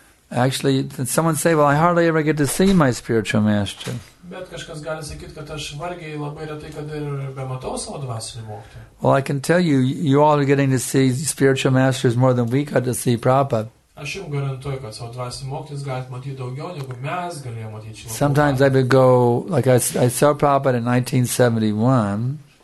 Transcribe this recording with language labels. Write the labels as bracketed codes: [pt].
[en] Actually, someone say, well, I hardly ever get to see my spiritual master. Well, I can tell you, you all are getting to see spiritual masters more than we got to see Prabhupada. [lt] Aš jums garantuoju, kad savo dvasinį mokytį galite matyti daugiau, negu mes galėjome matyti. [en] Sometimes I would go, like I saw Prabhupada in 1971.